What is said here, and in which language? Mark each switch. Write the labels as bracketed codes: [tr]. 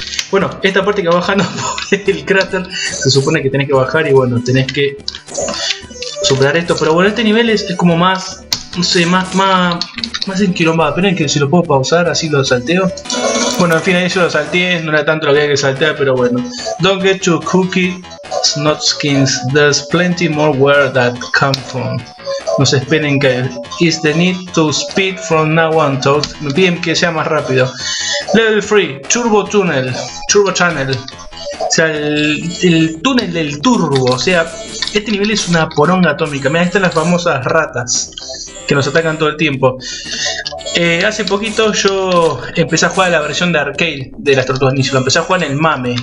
[es] Bueno, esta parte que va bajando por el cráter, se supone que tenés que bajar y bueno, tenés que superar esto. Pero bueno, este nivel es como más, no sé, más enquilombado. Esperen que si lo puedo pausar, así lo salteo. Bueno, en fin, ahí yo lo salteé, no era tanto lo que había que saltear, pero bueno. [en] Don't get too cookie, snotskins, there's plenty more where that come from. [es] No se esperen que... [en] It's the need to speed from now on, talk. [es] Me piden que sea más rápido. [en] Level 3, Turbo Tunnel, Turbo Channel. [es] O sea, el túnel del turbo, o sea, este nivel es una poronga atómica. Mira, están las famosas ratas que nos atacan todo el tiempo. Hace poquito yo empecé a jugar la versión de arcade de las Tortugas Ninja, lo empecé a jugar en el MAME.